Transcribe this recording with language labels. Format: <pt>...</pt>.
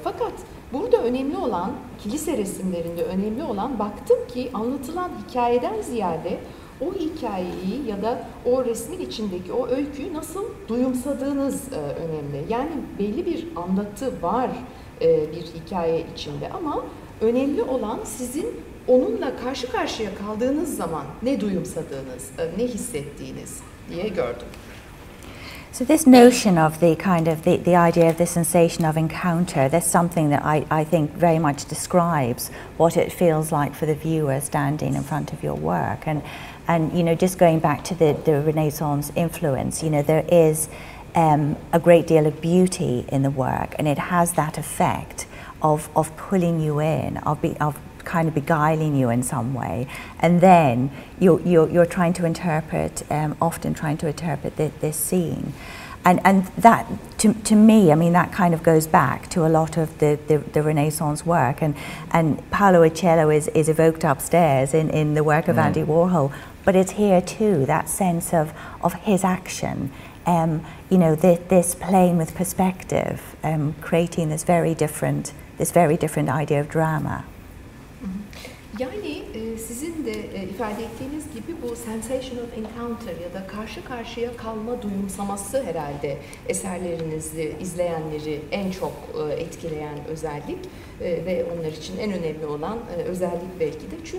<tr>Fakat burada önemli olan, kilise resimlerinde önemli olan, baktım ki anlatılan hikayeden ziyade o hikayeyi ya da o resmin içindeki o öyküyü nasıl duyumsadığınız önemli. Yani belli bir anlatı var bir hikaye içinde ama önemli olan sizin onunla karşı karşıya kaldığınız zaman ne duyumsadığınız, ne hissettiğiniz diye gördüm.</tr> <en>So this notion of the kind of the idea of the sensation of encounter, that's something that I think very much describes what it feels like for the viewer standing in front of your work. And you know, just going back to the Renaissance influence, you know, there is a great deal of beauty in the work, and it has that effect of pulling you in, of kind of beguiling you in some way, and then you're trying to interpret, often trying to interpret this scene, and that to me, I mean, that kind of goes back to a lot of the Renaissance work, and Paolo Uccello is evoked upstairs in the work of Andy Warhol. But it's here too, that sense of his action, you know, this playing with perspective, creating this very different idea of drama.</en> <tr>Yani sizin de ifade ettiğiniz gibi bu</tr> <en>sensation of encounter</en> <tr>ya da karşı karşıya kalma duyumsaması herhalde eserlerinizi izleyenleri en çok etkileyen özellik ve onlar için en önemli olan özellik belki de.</tr>